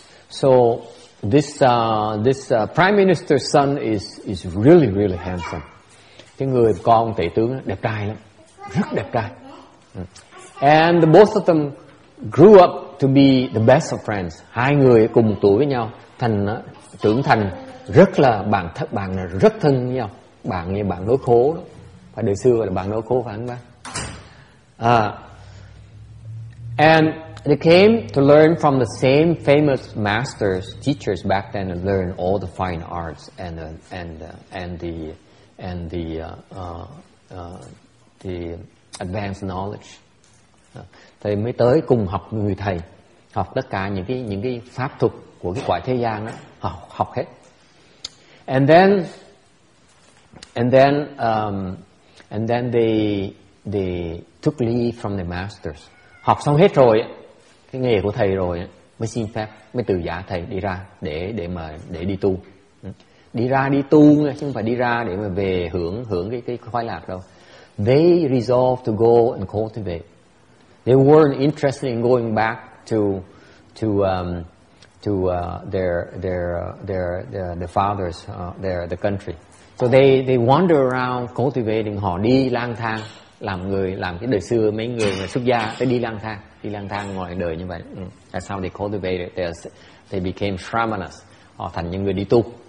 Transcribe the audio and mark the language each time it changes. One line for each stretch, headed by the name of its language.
English: So this prime minister's son is really really handsome.
Vietnamese: Cái người con tể tướng đẹp trai lắm, rất đẹp trai.
English: And both of them grew up to be the best of friends.
Vietnamese: Hai người cùng một tuổi với nhau, trưởng thành rất là bạn thân, bạn rất thân với nhau, bạn như bạn đối khố đó. Phải đời xưa là bạn đối khố phải không ba?
English: And they came to learn from the same famous masters, teachers back then, and learn all the fine arts and the advanced knowledge.
Vietnamese: Thầy mới tới cùng học người thầy, học tất cả những cái pháp thuật của cái quả thế gian đó, học hết.
English: And then they took leave from the masters.
Vietnamese: Học xong hết rồi, cái nghề của thầy rồi, mới xin phép, mới từ giả thầy đi ra để đi tu. Đi ra đi tu chứ không phải đi ra để mà về hưởng cái khoái lạc đâu.
English: They resolved to go and cultivate. They weren't interested in going back to their father's country. So they wander around cultivating.
Vietnamese: Họ đi lang thang, làm người, làm cái đời xưa mấy người mà xuất gia tới đi lang thang ngoài đời như vậy. Tại sao
English: they cultivated, they became shramanas,
Vietnamese: họ thành những người đi tu.